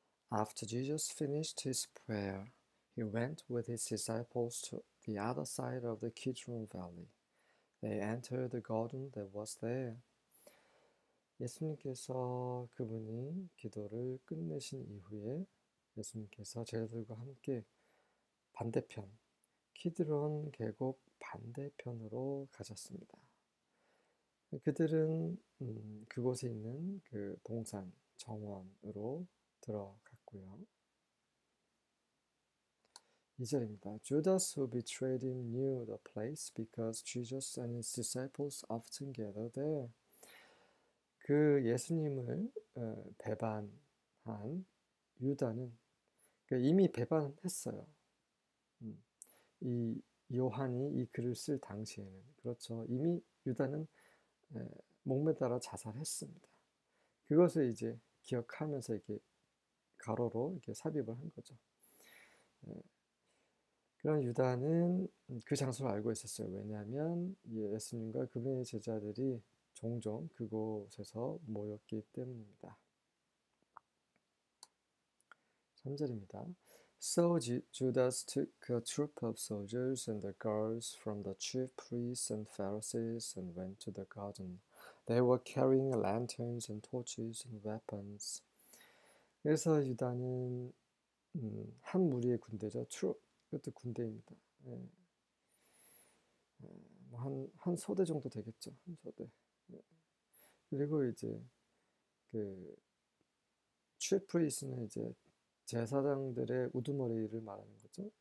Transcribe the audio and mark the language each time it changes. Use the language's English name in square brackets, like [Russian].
[English] After Jesus finished his prayer, he went with his disciples to the other side of the Kidron Valley. They entered the garden that was there. [Korean] 예수님께서 그분이 기도를 끝내신 이후에 예수님께서 제자들과 함께 반대편, 키드론 계곡 반대편으로 가셨습니다. 그들은 그곳에 있는 그 동산 정원으로 들어갔고요. 2절입니다. [English] Judas, who betrayed him, knew the place because Jesus and his disciples often gathered there. [Korean] 그 예수님을 배반한 유다는 이미 배반했어요. 이 요한이 이 글을 쓸 당시에는 그렇죠. 이미 유다는 목매달아 자살했습니다. 그것을 이제 기억하면서 이렇게 가로로 이렇게 삽입을 한 거죠. 그런 유다는 그 장소를 알고 있었어요. 왜냐하면 예수님과 그분의 제자들이 종종 그곳에서 모였기 때문입니다. 3절입니다. [English] So Judas took a troop of soldiers and the guards from the chief priests and Pharisees and went to the garden. They were carrying lanterns and torches and weapons. [Korean] 그래서 유다는 한 무리의 군대죠. troop 이것도 군대입니다. 한 소대 정도 되겠죠. 한 소대. 그리고 이제 그 chief priests는 이제 제사장들의 우두머리를 말하는 거죠.